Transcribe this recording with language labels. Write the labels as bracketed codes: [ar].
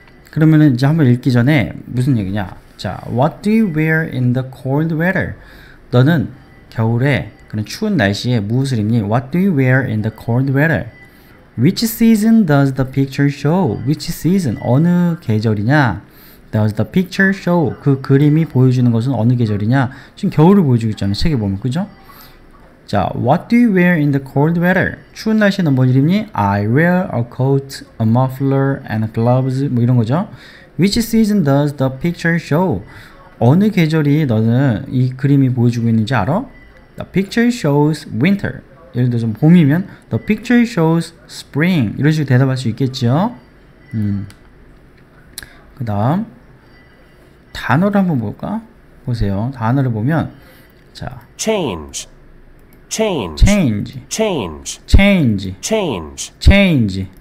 [ko] 그러면은 이제 한번 읽기 전에 무슨 얘기냐? [en] 자, What do you wear in the cold weather? [ko] 너는 겨울에 그런 추운 날씨에 무엇을 입니? [en] What do you wear in the cold weather? Which season does the picture show? Which season? [ko] 어느 계절이냐? [en] Does the picture show? [ko] 그 그림이 보여주는 것은 어느 계절이냐? 지금 겨울을 보여주고 있잖아, 책에 보면. 그죠? [en] 자, What do you wear in the cold weather? [ko] 추운 날씨에 너뭘 입니? [en] I wear a coat, a muffler, and gloves. [ko] 뭐 이런 거죠. [en] Which season does the picture show? [ko] 어느 계절이 너는 이 그림이 보여주고 있는지 알아? [en] The picture shows winter. [ko] 예를 들어서 봄이면 [en] The picture shows spring. [ko] 이런 식으로 대답할 수 있겠죠? 그 다음 단어를 한번 볼까? 보세요. 단어를 보면 자 [en] Change, change, change, change, change, change, change,